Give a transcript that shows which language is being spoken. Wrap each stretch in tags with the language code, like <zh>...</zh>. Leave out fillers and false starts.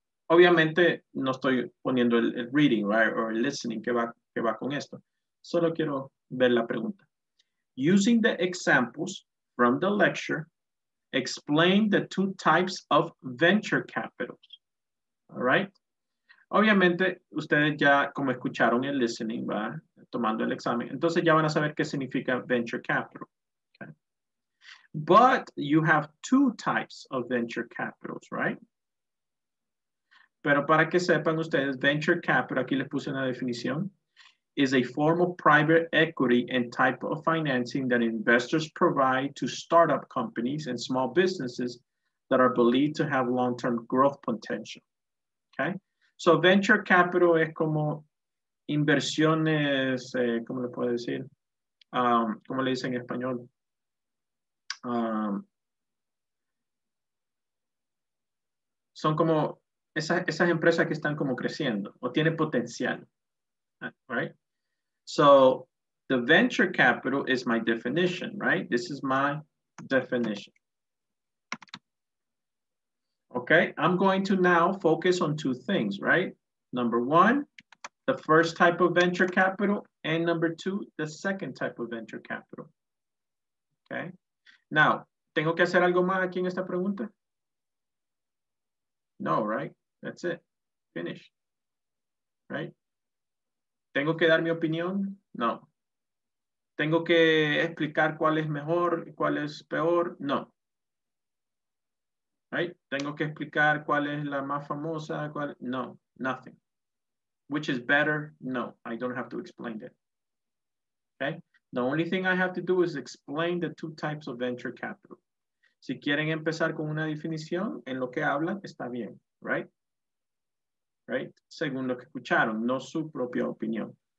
<es>Obviamente, no estoy poniendo el reading, right?</es> <en>Or listening,</en> <es>que va con esto. Solo quiero ver la pregunta.</es> <en>Using the examples from the lecture, explain the two types of venture capitals, all right?</en> <es>Obviamente, ustedes ya como escucharon el listening, ¿verdad? Tomando el examen, entonces ya van a saber qué significa venture capital, okay?</es> <en>But you have two types of venture capitals, right?</en> <es>Pero para que sepan ustedes, venture capital, aquí les puse una definición,</es> <en>is a form of private equity and type of financing that investors provide to startup companies and small businesses that are believed to have long-term growth potential, okay?</en> <es>So venture capital es como inversiones, ¿cómo le puedo decir? ¿Cómo le dicen en español? Son como esas empresas que están como creciendo o tienen potencial, right?</es> <en>So the venture capital is my definition, right? This is my definition. Okay, I'm going to now focus on two things, right? Number one, the first type of venture capital, and number two, the second type of venture capital.</en> <es>Okay, now, ¿tengo que hacer algo más aquí en esta pregunta?</es> <en>No, right? That's it, finish, right?</en> <es>¿Tengo que dar mi opinión? No. ¿Tengo que explicar cuál es mejor y cuál es peor? No. Right? ¿Tengo que explicar cuál es la más famosa?</es> <en>Cuál? No, nothing. Which is better? No, I don't have to explain that. Okay? The only thing I have to do is explain the two types of venture capital.</en> <es>Si quieren empezar con una definición, en lo que hablan, está bien, right? Right? Según lo que escucharon, no su propia opinión.</es>